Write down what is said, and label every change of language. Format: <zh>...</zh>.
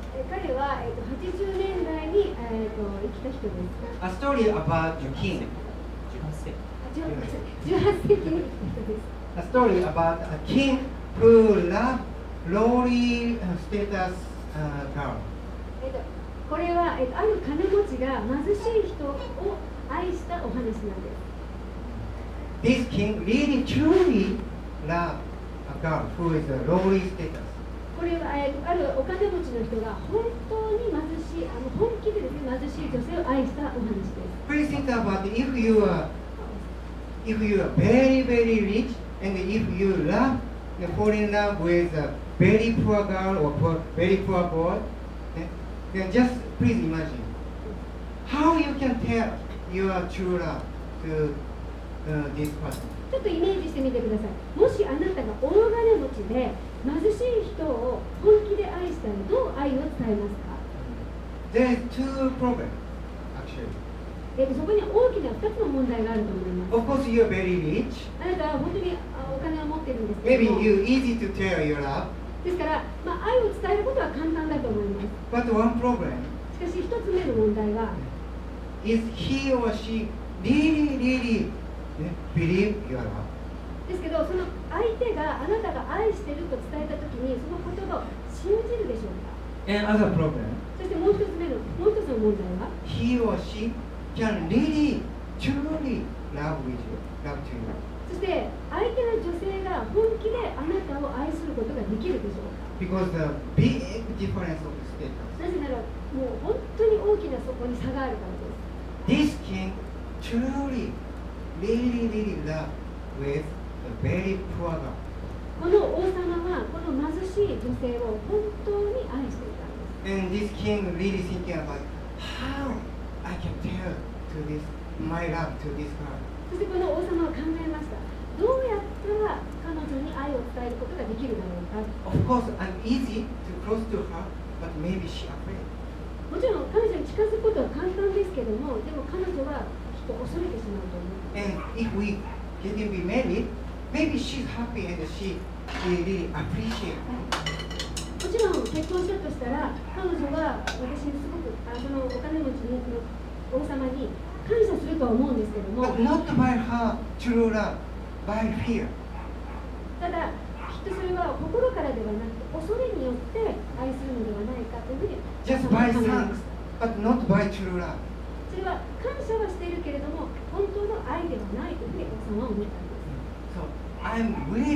<ja>彼は80 年代に生きた人です。</ja> <en>A story about a king.</en> <ja>18世紀。</ja> <en>A story about a king who loved lowly status girl.</en> <ja>これはある金持ちが貧しい人を愛したお話なんです。</ja> <en>This king really truly Love a girl who is a lowly status.</en> <ja>これはあるお金持ちの人が本当に貧しい、本気で貧しい女性を愛したお話です。</ja> <en>Please think about if you are very very rich and if you love fall in love with a very poor girl or very poor boy, then just please imagine how you can tell your true love to this person.</en> <ja>ちょっとイメージしてみてください。もしあなたが大金持ちで貧しい人を本気で愛したらどう愛を伝えますか？</ja> <en>There are two problems, actually.</en> <ja>そこに大きな2つの問題があると思います。</ja> <en>Of course you are very rich.</en> <ja>あなたは本当にお金を持ってるんですけども。</ja> <en>Maybe you're easy to tell your love.</en> <ja>ですから、愛を伝えることは簡単だと思います。</ja> <en>But one problem.</en> <ja>しかし1つ目の問題は、</ja> <en>Is he or she really, reallyBelieve your love.</en> <ja>ですけど、その相手があなたが愛してると伝えたときに、その言葉を信じるでしょうか？</ja> <en>And other problem.</en> <ja>そしてもう一つの問題は、</ja> <en>He or she can really, truly love with you, love to you.</en> <ja>そして相手の女性が本気であなたを愛することができるでしょうか？</ja> <en>Because the big difference of status.</en> <ja>なぜなら、もう本当に大きなそこに差があるからです。</ja> <en>This king truly. Really, really love with a very poor girl.</en> <ja>この王様はこの貧しい女性を本当に愛していたんです。</ja> <en>And this king really thinking about how I can tell to this my love to this girl.</en> <ja>そしてこの王様は考えました。どうやったら彼女に愛を伝えることができるだろうか。</ja> <en>Of course, I'm easy to close to her, but maybe she afraid.</en> <ja>もちろん彼女に近づくことは簡単ですけども、でも彼女は恐れてしまうと思う。</ja> <en>And if we get to be married, maybe she's happy and she really appreciates me.</en> <ja>もちろん結婚したとしたら、彼女は私にすごくそのお金持ちの王様に感謝すると思うんですけども。</ja> <en>But not by her true love, by fear.</en> <ja>ただきっとそれは心からではなくて恐れによって愛するのではないかというふうに。</ja> <en>Just by thanks, but not by true love.</en> <ja>それは感謝はしているけれども本当の愛ではないというふうに王様は思ったんです。</ja>